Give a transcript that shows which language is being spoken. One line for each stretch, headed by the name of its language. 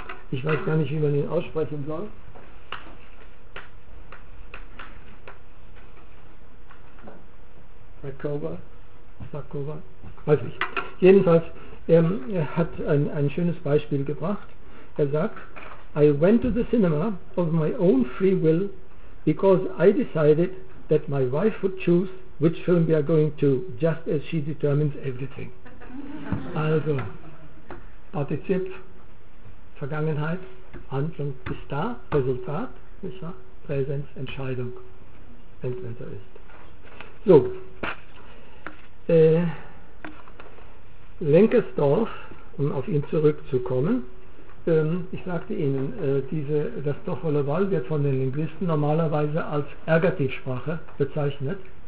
German: Ich weiß gar nicht, wie man ihn aussprechen soll. Sakova, weiß nicht. Jedenfalls, er hat ein schönes Beispiel gebracht. Er sagt,
English: I went to the cinema of my own free will because I decided that my wife would choose which film we are going to, just as she determines everything.
German: Also, Partizip, Vergangenheit, Handlung ist da, Resultat, nicht wahr? Präsenz, Entscheidung, wenn es besser ist. So, Lenkersdorf, um auf ihn zurückzukommen, ich sagte Ihnen, das Dorfvolle Wall wird von den Linguisten normalerweise als Ergativsprache bezeichnet.